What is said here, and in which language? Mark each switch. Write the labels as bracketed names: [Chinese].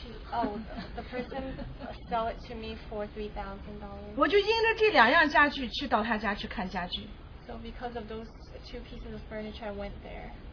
[English] The person sell it to me for 3,000 dollars. [Chinese] 我就因着这两样家具去到他家去看家具。 [English] So because of those two pieces of furniture, I went there.